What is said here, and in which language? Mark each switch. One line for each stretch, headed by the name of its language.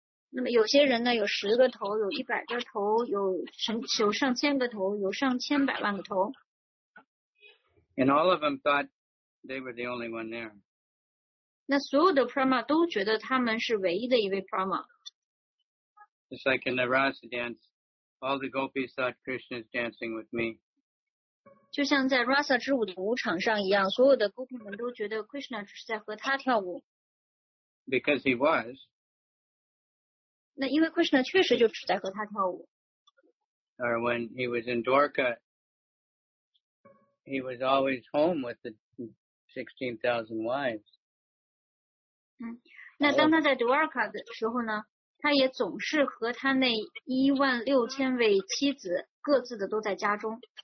Chinese: 那么有些人呢有十个头，有一百个头，有上千个头，有上千百万个头。
English: And all of them thought they were the only one there.
Chinese: 那所有的 Brahma 都觉得他们是唯一的一位 Brahma.
English: It's like in the Rasa dance, all the gopis thought Krishna is dancing with me.
Chinese: 就像在 Rasa 之舞的舞场上一样，所有的 Gopi 们都觉得 Krishna 只是在和他跳舞。
English: Because he was.
Chinese: 那因为 Krishna 确实就只在和他跳舞。
English: Or when he was in Dwarka, he was always home with the 16,000 wives.
Chinese: 那当他在 Dwarka 的时候呢，他也总是和他那16,000位妻子各自的都在家中。